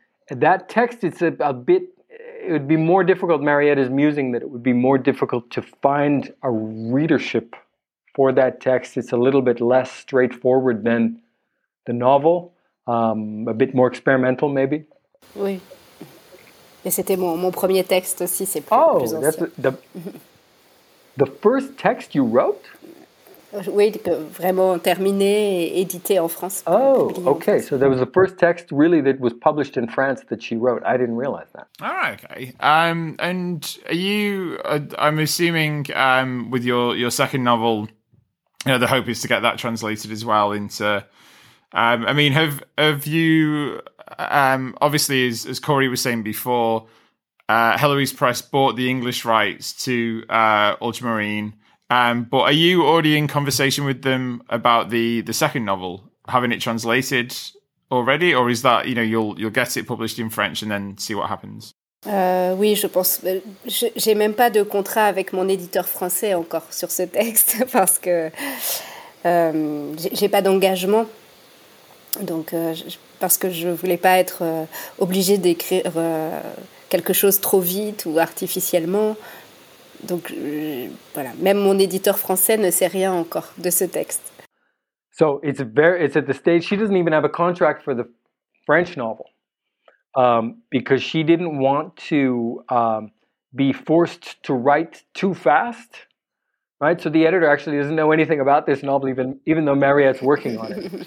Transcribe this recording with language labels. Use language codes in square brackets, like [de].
[en] That text, it's a bit, it would be more difficult, Mariette is musing, that it would be more difficult to find a readership for that text. It's a little bit less straightforward than the novel, a bit more experimental, maybe. [fr] Oui. Et c'était mon premier texte aussi, c'est plus ancien. [en] Oh, that's the first text you wrote? [fr] Oui, vraiment terminé et édité en France. [en] Oh, okay. So that was the first text really that was published in France that she wrote. I didn't realize that. Ah, okay. And are you, I'm assuming with your second novel, you know, the hope is to get that translated as well into, I mean, have you... obviously, as Corey was saying before, Heloise Press bought the English rights to Ultramarine. But are you already in conversation with them about the second novel, having it translated already, or is that, you know, you'll get it published in French and then see what happens? [fr] Oui, je pense. J'ai même pas de contrat avec mon éditeur français encore sur ce texte parce que j'ai pas d'engagement. Donc, parce que je ne voulais pas être obligée d'écrire quelque chose trop vite ou artificiellement. Donc, voilà. Même mon éditeur français ne sait rien encore de ce texte. [en] So, it's at the stage, she doesn't even have a contract for the French novel. Because she didn't want to be forced to write too fast. Right, so the editor actually doesn't know anything about this novel, even though Mariette's working on it.